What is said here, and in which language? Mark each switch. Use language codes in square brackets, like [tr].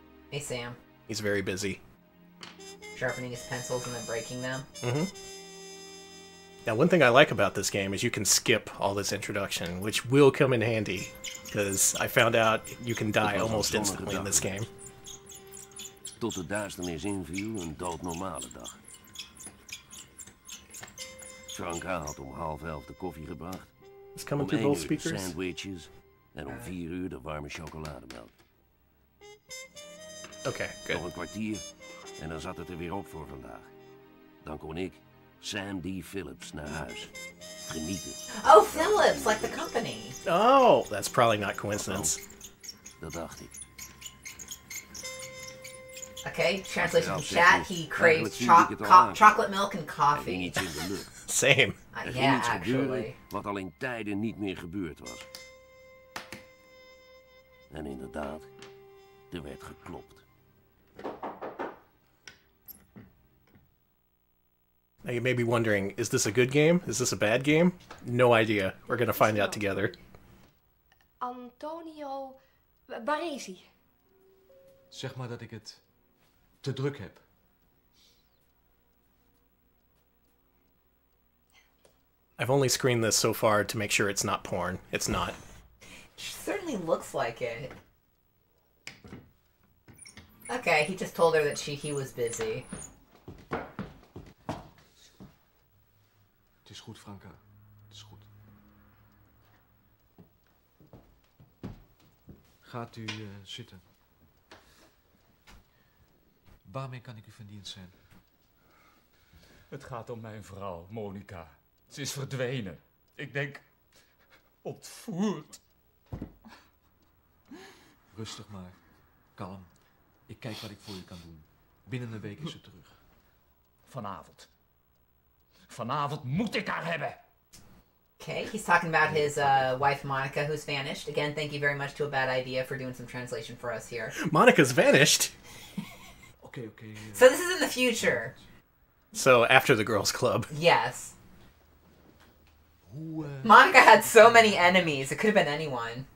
[en] Hey, Sam. He's very busy. Sharpening his pencils and then breaking them. Mm-hmm. Now, one thing I like about this game is you can skip all this introduction, which will come in handy, because I found out you can die almost instantly in this game. [nl] Tot de duisternis inviel, een doodnormale dag. Franca had om 10:30 de koffie gebracht. [en] It's coming through both speakers. [nl] Sandwiches, en om 4:00 de warme chocolademelk. [en] Okay, good. [nl] Nog een kwartier, en dan zat het er weer op voor vandaag. Dan kon ik, Sam D. Phillips, naar huis. Genieten. [en] Oh, Phillips, like the company. Oh, that's probably not coincidence. [nl] Dat dacht ik. [en] Okay, translation chat, he craves chocolate milk and coffee. [nl] Er ging iets in de lucht. [en] Same. [nl] Er ging iets gebeuren wat al in tijden niet meer gebeurd was. En inderdaad, er werd geklopt. [en] Now you may be wondering, is this a good game? Is this a bad game? No idea. We're gonna find out together. [nl] Antonio Baresi. Zeg maar dat ik het te druk heb. [en] I've only screened this so far to make sure it's not porn. It's not. She certainly looks like it. Okay, he just told her that he was busy. [nl] Het is goed, Franca. Het is goed. Gaat u zitten. Waarmee kan ik u van dienst zijn? Het gaat om mijn vrouw, Monica. Ze is verdwenen. Ik denk, ontvoerd. Rustig maar. Kalm. Ik kijk wat ik voor u kan doen. Binnen een week is ze terug. Vanavond. Vanavond moet ik haar hebben. [en] Okay, he's talking about his wife Monica, who's vanished. Again, thank you very much to A Bad Idea for doing some translation for us here. Monica's vanished? Okay. So this is in the future. So after the girls' club. Yes. Monica had so many enemies. It could have been anyone.